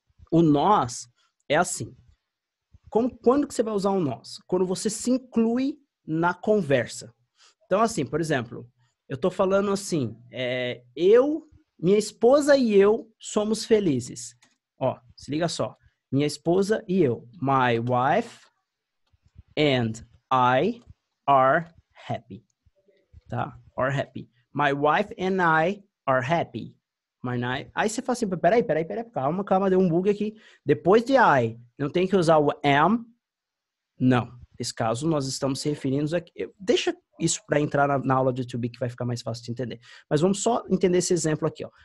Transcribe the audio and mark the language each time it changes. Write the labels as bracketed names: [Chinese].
[Portuguese] O nós é assim. Quando que você vai usar o nós? Quando você se inclui na conversa. Então, assim, por exemplo, eu tô falando assim, eu, minha esposa e eu somos felizes. Ó, se liga só. Minha esposa e eu, [English] my wife and I are happy. Tá? Are happy. My wife and I are happy. [Portuguese] Aí você fala assim, peraí, calma, calma, deu um bug aqui. Depois de I, não tem que usar o am? Não. Nesse caso, nós estamos se referindo aqui. Deixa isso para entrar na aula de YouTube que vai ficar mais fácil de entender. Mas vamos só entender esse exemplo aqui, ó.